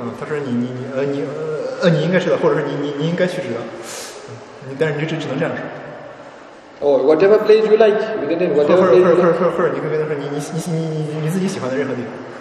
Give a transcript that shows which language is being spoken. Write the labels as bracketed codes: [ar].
[zh] 他说你应该知道，或者说你应该去知道，但是你就只能这样说。 [en] Or whatever place you like, you can name whatever place you like. [zh] 或者你可以跟他说你自己喜欢的任何地方。